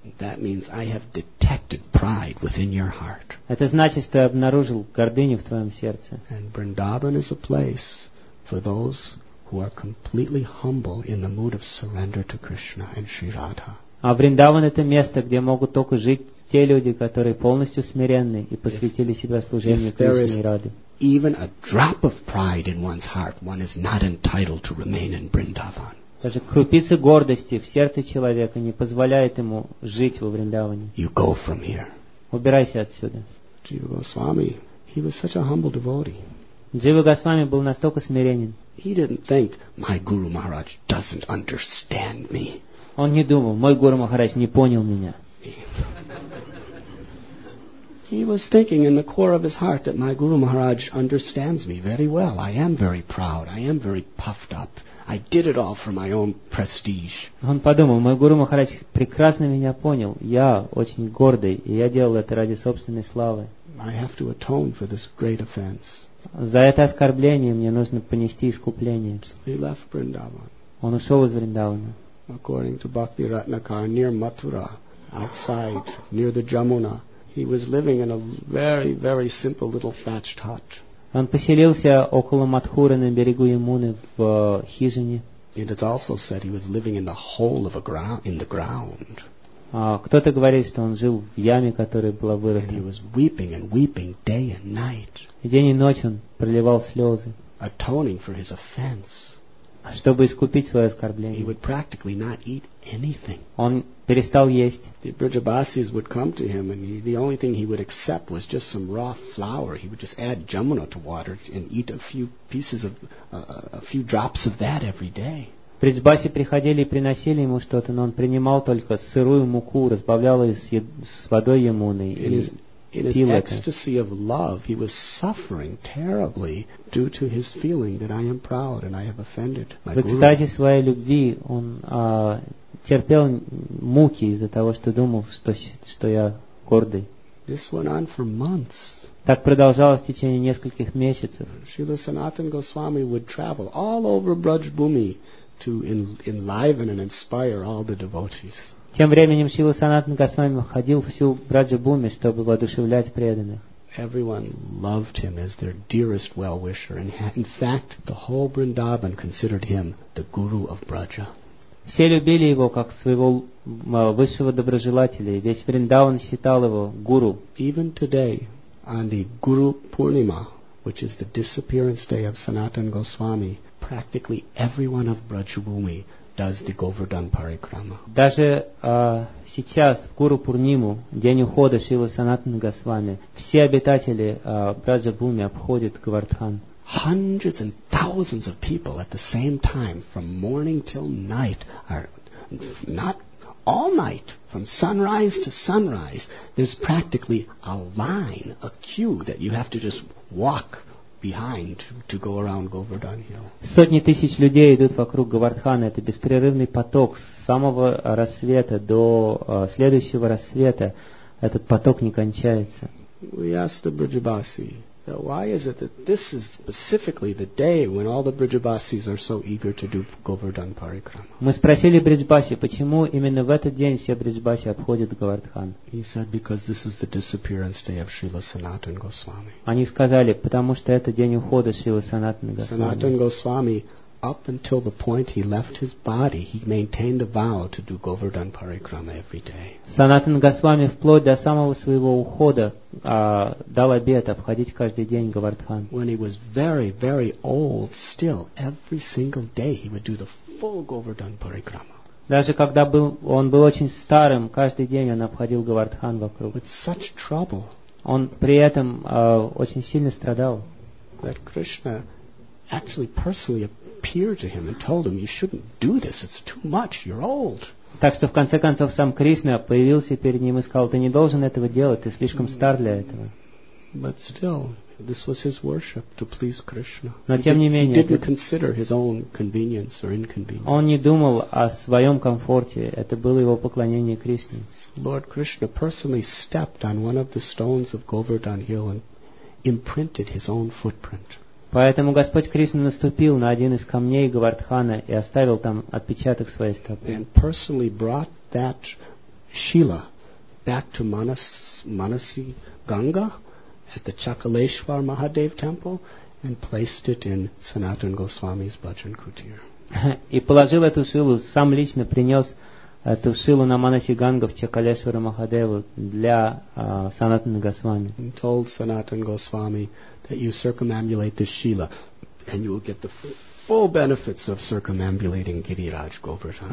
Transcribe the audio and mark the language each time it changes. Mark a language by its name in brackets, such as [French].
[English] That means I have detected pride within your heart. [Russian] Это значит, что я обнаружил гордыню в твоем сердце. [English] And Vrindavan is a place for those who are completely humble in the mood of surrender to Krishna and Sri Radha. [Russian] А Вриндаван это место, где могут только жить те люди, которые полностью смиренны и посвятили себя служению Кришне и Раде. [English] Even a drop of pride in one's heart, one is not entitled to remain in Vrindavan. [Russian] Даже крупица гордости в сердце человека не позволяет ему жить во Вриндаване. [English] You go from here. [Russian] Убирайся отсюда. [English] Jiva Goswami, he was such a humble devotee. [Russian] Jiva Goswami был настолько смиренен. [English] He didn't think, my Guru Maharaj doesn't understand me. [Russian] Он не думал, мой Гуру Махарадж не понял меня. [English] He was thinking in the core of his heart that my Guru Maharaj understands me very well. I am very proud. I am very puffed up. I did it all for my own prestige. [Russian] Он подумал, мой Гуру Махарадж прекрасно меня понял. Я очень гордый, и я делал это ради собственной славы. [English] I have to atone for this great offense. [Russian] За это оскорбление мне нужно понести искупление. [English] So he left Vrindavan. [Russian] Он ушел из Вриндавана. [English] According to Bhakti Ratnakar, near Mathura, outside, near the Jamuna, he was living in a very, very simple little thatched hut. [Russian] Он поселился около Матхуры на берегу Ямуны в хижине. [English] And it's also said he was living in the hole of a ground, in the ground. [Russian] Кто-то говорит, что он жил в яме, которая была вырыта. [English] And he was weeping and weeping day and night. [Russian] И день и ночь он проливал слезы. [English] Atoning for his offense. [Russian] Чтобы искупить свое оскорбление. [English] He would practically not eat anything. [Russian] Он перестал есть. [English] The Brijabasis would come to him and the only thing he would accept was just some raw flour. He would just add Jamuna to water and eat a few pieces of a few drops of that every day. [Russian] Брижбаси приходили и приносили ему что-то, но он принимал только сырую муку, разбавлял ее с водой Ямуны и [English] In his ecstasy of love, he was suffering terribly due to his feeling that I am proud and I have offended my guru. [Russian] В экстазе своей любви он терпел муки из-за того, что думал, что я гордый. [English] This went on for months. [Russian] Так продолжалось в течение нескольких месяцев. [English] Шрила Санатан Госвами would travel all over Брадж-Бхуми to enliven and inspire all the devotees. [Russian] Тем временем Шрила Санатан Госвами ходил всю Брадж-Бхуми, чтобы воодушевлять преданных. [English] Everyone loved him as their dearest well-wisher, and in fact, the whole Vrindavan considered him the guru of Braja. [Russian] Все любили его как своего высшего доброжелателя, и весь Вриндаван считал его гуру. [English] Even today, on the Guru Purnima, which is the disappearance day of Sanatan Goswami, practically everyone of Brajabhumi does the Govardhan Parikrama. [Russian] Даже сейчас, в Гуру Пурниму, день ухода Шрилы Санатана Госвами, все обитатели Брадж-Бхуми обходят Говардхан. [English] Hundreds and thousands of people at the same time, from morning till night, are not all night, from sunrise to sunrise, there's practically a line, a queue, that you have to just walk behind to go around Govardhan Hill. [Russian] Сотни тысяч людей идут вокруг Говардхана. Это беспрерывный поток с самого рассвета до следующего рассвета. Этот поток не кончается. [English] We asked the Brijabasi, why is it that this is specifically the day when all the Brijabasis are so eager to do Govardhan Parikrama? [Russian] Мы спросили Брижбаси, почему именно в этот день все Брижбаси обходят Говардхан? [English] He said because this is the disappearance day of Srila Sanatan Goswami. [Russian] Они сказали, потому что это день ухода Шрилы Санатана Госвами. [English] Sanatan Goswami, up until the point he left his body, he maintained a vow to do Govardhan Parikrama every day. [Russian] Sanatan Goswami, вплоть до самого своего ухода, дал обет обходить каждый день Говардхан. [English] When he was very, very old, still, every single day he would do the full Govardhan Parikrama. [Russian] Даже когда он был очень старым, каждый день он обходил Говардхан вокруг. [English] With such trouble. [Russian] Он при этом очень сильно страдал. [English] That Krishna actually personally appeared to him and told him, "You shouldn't do this. It's too much. You're old." [Russian] Так что в конце концов сам Кришна появился перед ним и сказал: "Ты не должен этого делать. Ты слишком стар для этого." [English] But still, this was his worship to please Krishna. [Russian] Но тем не менее, [English] he didn't consider his own convenience or inconvenience. [Russian] Он не думал о своем комфорте. Это было его поклонение Кришне. [English] Lord Krishna personally stepped on one of the stones of Govardhan Hill and imprinted his own footprint. [Russian] Поэтому Господь Кришна наступил на один из камней Говардхана и оставил там отпечаток своей стопы. [English] And personally brought that Shila back to Manasi Ganga at the Chakaleshwar Mahadev temple and placed it in Sanatan Goswami's Bhajan Kutir. [Russian] И положил эту Шилу, сам лично принес эту Шилу на Манаси Ганга в Чакалешвара Махадеву для Санатана Госвами. [English] And told Sanatan Goswami that you circumambulate this Shila and you will get the full benefits of circumambulating Giriraj Govardhan.